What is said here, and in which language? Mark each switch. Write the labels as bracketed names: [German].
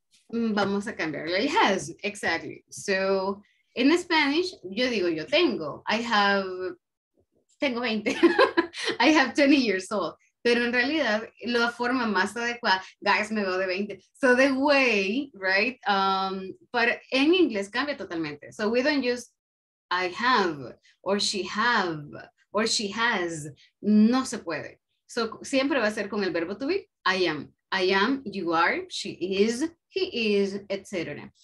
[Spanish] Vamos a cambiarle el has, exactly. So, in Spanish, yo digo yo tengo, tengo 20, [English] I have 20 years old. [Spanish] Pero en realidad, la forma más adecuada, guys, me veo de 20. [English] So the way, right? But [Spanish] en inglés cambia totalmente. [English] So we don't use I have, or she has. [Spanish] No se puede. So siempre va a ser con el verbo to be. [English] I am. I am, you are, she is, he is, etc.